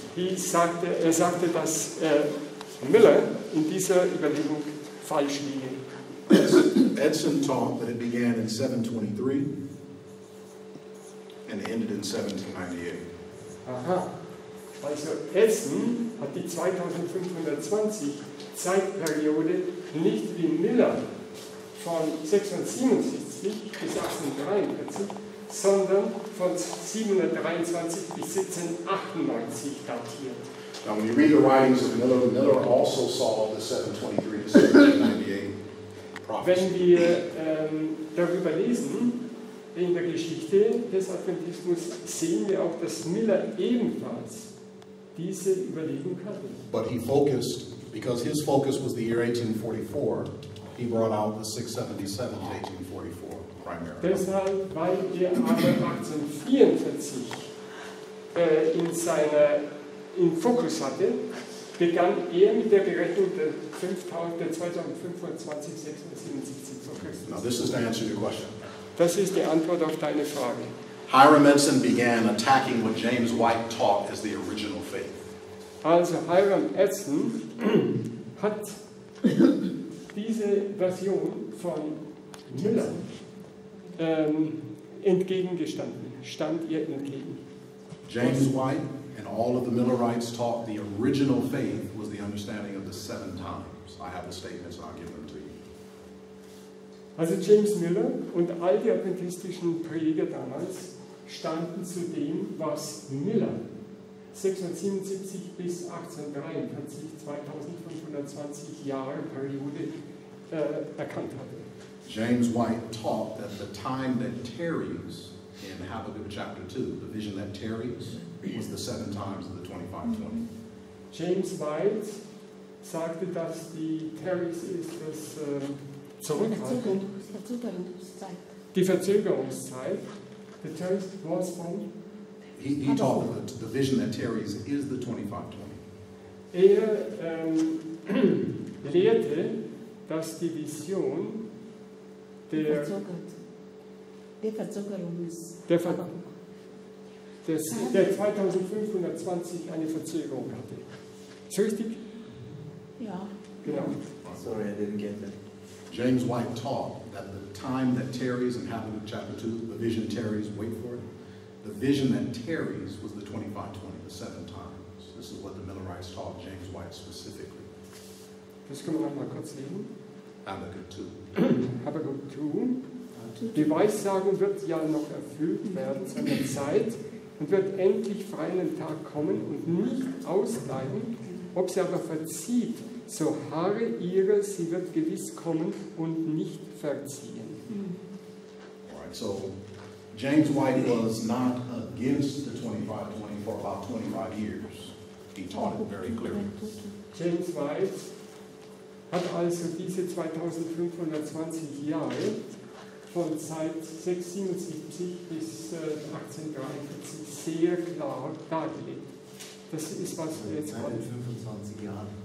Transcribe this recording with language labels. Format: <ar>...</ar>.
<de>Er sagte, dass Miller in dieser Überlegung falsch liege.</de> <en>Edson taught that it began in 723 and ended in 1798. Aha.</en> <de>Also Edson hat die 2520 Zeitperiode nicht wie Miller von 677 bis 1843, sondern von 723 bis 1798 datiert.</de> <en>Now when you read the writings of Miller, Miller also saw the 723 to 1798 prophecy.</en> <de>Wenn wir darüber lesen, in der Geschichte des Adventismus, sehen wir auch, dass Miller ebenfalls diese Überlegung hatte.</de> <en>But he focused. Because his focus was the year 1844, he brought out the 677 to 1844 primarily.</en> <de>Deshalb, weil er aber 1844 in Fokus hatte, begann er mit der Berechnung der 2520, 677 vor Christus.</de> <en>Now this is to answer your question.</en> <de>Das ist die Antwort auf deine Frage.</de> <en>Hiram Edison began attacking what James White taught as the original faith.</en> <de>Also Hiram Edson hat diese Version von Müller entgegengestanden, stand ihr entgegen.</de> <en>James White and all of the Millerites taught the original faith was the understanding of the seven times. I have the statements and I'll give them to you.</en> <de>Also James Miller und all die adventistischen Prediger damals standen zu dem, was Miller 677 bis 1843, 2520 Jahre Periode, erkannt hatte.</de> <en>James White taught that the time that tarries in Habakkuk chapter 2, the vision that tarries, was the seven times of the 2520.</en> <de>James White sagte, dass die tarries ist das die Verzögerungszeit.</de> <en>The tarries was from? He taught that the vision that tarries is the 2520.</en> <de>Er lehrte, dass die Vision der Verzögerung ist, der 2520 eine Verzögerung hatte. Ist richtig? Ja. Genau.</de> <en>Sorry, I didn't get that. James White taught that the time that tarries in Habakkuk chapter 2, the vision tarries, wait for it, the vision that tarries was the 2520, the seven times. This is what the Millerites taught James White specifically.</en> <de>Das können wir noch mal kurz lesen.</de> <en>Habakkuk 2. Habakkuk 2.</en> <de>Die Weissagung wird ja noch erfüllt werden zu einer Zeit und wird endlich für einen Tag kommen und nicht ausbleiben, ob sie aber verzieht. So harre ihre, sie wird gewiss kommen und nicht verziehen.</de> <en>Alright, so James White was not against the 2520 for about 25 years. He taught it very clearly.</en> <de>James White hat also diese 2520 Jahre von Zeit 677 bis 1843 sehr klar dargelegt. Das ist, was wir jetzt wollen. 25 Jahre.</de>